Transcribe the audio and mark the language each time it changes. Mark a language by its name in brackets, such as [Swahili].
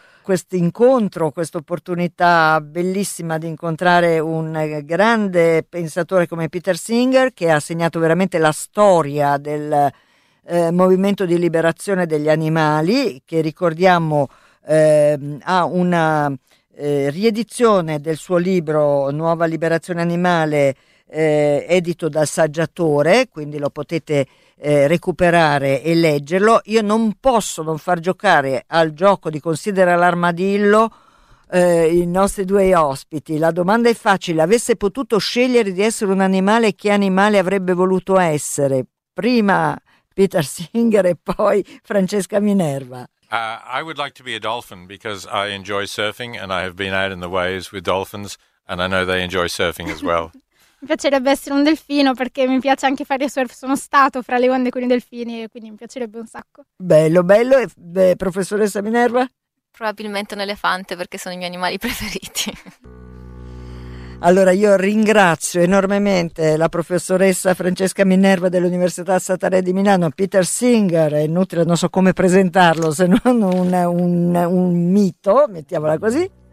[Italian] questo incontro, questa opportunità bellissima di incontrare un grande pensatore come Peter Singer, che ha segnato veramente la storia del movimento di liberazione degli animali, che ricordiamo ha una riedizione del suo libro Nuova Liberazione Animale, edito dal Saggiatore, quindi lo potete recuperare e leggerlo. Io non posso non far giocare al gioco di Considera l'armadillo i nostri due ospiti. La domanda è facile: avesse potuto scegliere di essere un animale, che animale avrebbe voluto essere? Prima Peter Singer e poi Francesca Minerva. [English] I would like to be a dolphin because I enjoy surfing and I have been out in the waves with dolphins and I know they enjoy surfing as well. [Italian] Mi piacerebbe essere un delfino perché mi piace anche fare surf, sono stato fra le onde con i delfini e quindi mi piacerebbe un sacco. Bello, bello. E beh, professoressa Minerva? Probabilmente un elefante perché sono i miei animali preferiti. Allora io ringrazio enormemente la professoressa Francesca Minerva dell'Università Statale di Milano, Peter Singer, è inutile, non so come presentarlo se non un mito, mettiamola così.